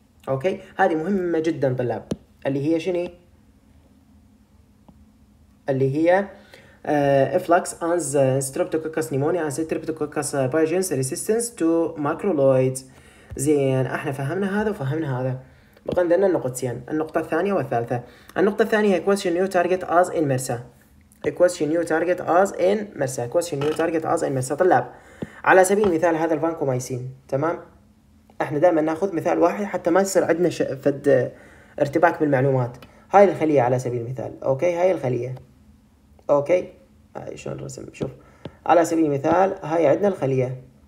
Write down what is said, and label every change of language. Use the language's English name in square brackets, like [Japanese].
[Arabic] اوكي هذه مهمة جدا طلاب، اللي هي [English] شني؟ اللي هي efflux as streptococcus pneumonia and streptococcus pyogenes resistance to macrolides. [Arabic] زين احنا فهمنا هذا وفهمنا هذا، بقى عندنا النقطتين، النقطة الثانية والثالثة. النقطة الثانية هي [English] question new target as in MRSA. question new target as in MRSA. question new target as in MRSA. [Arabic] طلاب على سبيل المثال هذا الفانكومايسين، تمام؟ احنا دائما ناخذ مثال واحد حتى ما يصير عندنا فد ارتباك بالمعلومات. هاي الخلية على سبيل المثال، اوكي؟ هاي الخلية. اوكي؟ هاي شلون الرسم؟ شوف على سبيل المثال هاي عندنا الخلية.